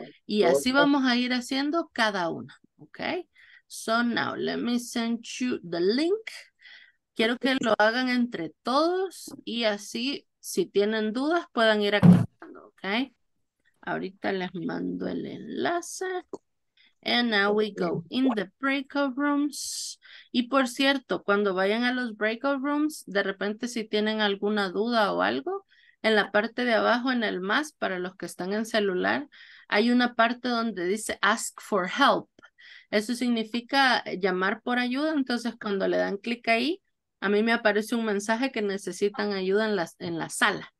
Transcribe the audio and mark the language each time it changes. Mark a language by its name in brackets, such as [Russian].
[Spanish] Y así vamos a ir haciendo cada una, ¿ok? [English] So now, let me send you the link. [Spanish] Quiero que lo hagan entre todos y así, si tienen dudas, puedan ir aclarando, ¿ok? Ahorita les mando el enlace. [English] And now we go in the breakout rooms. [Spanish] Y por cierto, cuando vayan a los breakout rooms, de repente si tienen alguna duda o algo, en la parte de abajo, en el más, para los que están en celular, hay una parte donde dice ask for help. Eso significa llamar por ayuda. Entonces, cuando le dan clic ahí, a mí me aparece un mensaje que necesitan ayuda en la sala.